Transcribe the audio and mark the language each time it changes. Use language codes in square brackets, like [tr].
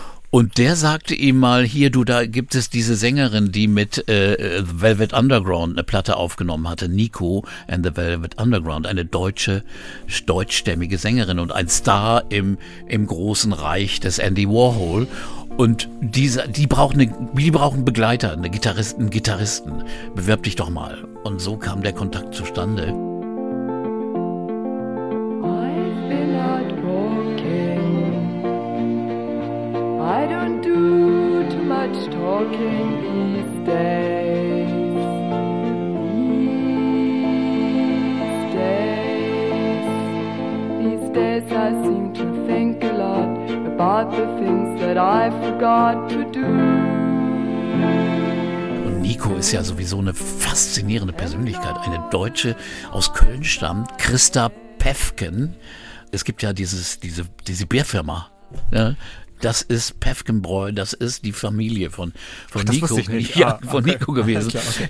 [de] Und der sagte ihm mal, hier, du, da gibt es diese Sängerin, die mit Velvet Underground eine Platte aufgenommen hatte, Nico and the Velvet Underground, eine deutsche, deutschstämmige Sängerin und ein Star im großen Reich des Andy Warhol. Und die brauchen Begleiter, einen Gitarristen. Bewirb dich doch mal. Und so kam der Kontakt zustande. [en] I don't do too much talking these days, these days I seem to think a lot about about the things that I forgot to do. [de] Und Nico ist ja sowieso eine faszinierende Persönlichkeit. Eine Deutsche aus Köln stammt, Christa Päffken. Es gibt ja diese Bierfirma, ja. Das ist Päffkenbräu, das ist die Familie von Nico, Nico gewesen, ja, klar, okay.